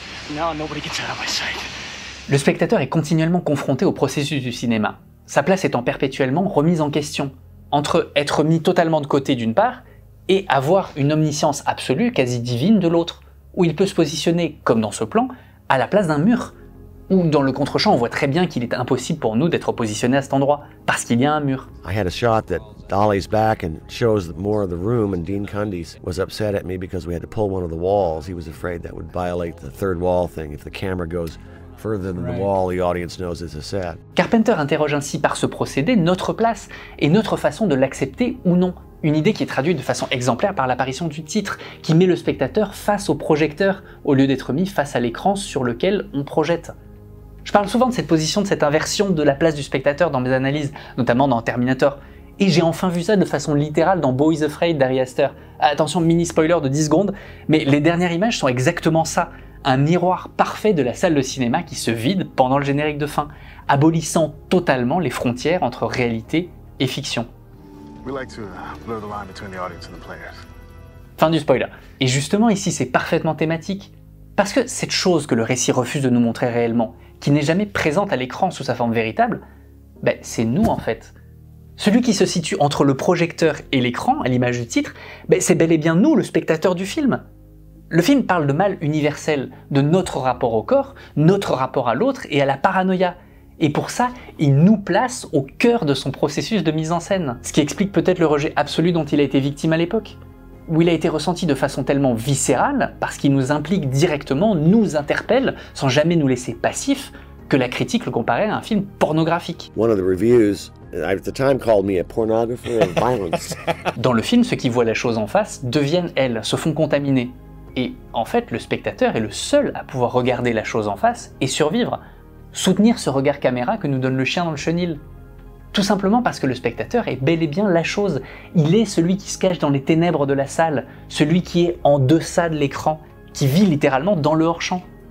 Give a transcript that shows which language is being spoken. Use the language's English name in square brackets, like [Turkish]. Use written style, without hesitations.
[English] Now nobody gets out of my sight. [French] Le spectateur est continuellement confronté au processus du cinéma, sa place étant perpétuellement remise en question, entre être mis totalement de côté d'une part, et avoir une omniscience absolue, quasi divine, de l'autre, où il peut se positionner, comme dans ce plan, à la place d'un mur. Ou dans le contre-champ, on voit très bien qu'il est impossible pour nous d'être positionné à cet endroit, parce qu'il y a un mur. [English] I had a shot that Dolly's back and shows more of the room, and Dean Cundey was upset at me because we had to pull one of the walls. He was afraid that would violate the third wall thing. If the camera goes further than the wall, the audience knows it's a set. [French] Carpenter interroge ainsi par ce procédé notre place et notre façon de l'accepter ou non. Une idée qui est traduite de façon exemplaire par l'apparition du titre, qui met le spectateur face au projecteur, au lieu d'être mis face à l'écran sur lequel on projette. Je parle souvent de cette position, de cette inversion de la place du spectateur dans mes analyses, notamment dans Terminator. Et j'ai enfin vu ça de façon littérale dans Boy's Afraid d'Ari Aster. Attention, mini spoiler de 10 secondes, mais les dernières images sont exactement ça. Un miroir parfait de la salle de cinéma qui se vide pendant le générique de fin, abolissant totalement les frontières entre réalité et fiction. [English] We like to blur the line between the audience and the players. [French] Fin du spoiler. Et justement ici, c'est parfaitement thématique. Parce que cette chose que le récit refuse de nous montrer réellement, qui n'est jamais présente à l'écran sous sa forme véritable, ben, c'est nous en fait. Celui qui se situe entre le projecteur et l'écran, à l'image du titre, ben, c'est bel et bien nous, le spectateur du film. Le film parle de mal universel, de notre rapport au corps, notre rapport à l'autre et à la paranoïa. Et pour ça, il nous place au cœur de son processus de mise en scène. Ce qui explique peut-être le rejet absolu dont il a été victime à l'époque. Où il a été ressenti de façon tellement viscérale, parce qu'il nous implique directement, nous interpelle, sans jamais nous laisser passifs, que la critique le comparait à un film pornographique. [English] One of the reviews, at the time, called me a pornographer of violence. [French] Dans le film, ceux qui voient la chose en face deviennent elles, se font contaminer. Et en fait, le spectateur est le seul à pouvoir regarder la chose en face et survivre. Soutenir ce regard caméra que nous donne le chien dans le chenil. Tout simplement parce que le spectateur est bel et bien la chose. Il est celui qui se cache dans les ténèbres de la salle, celui qui est en deçà de l'écran, qui vit littéralement dans le hors-champ.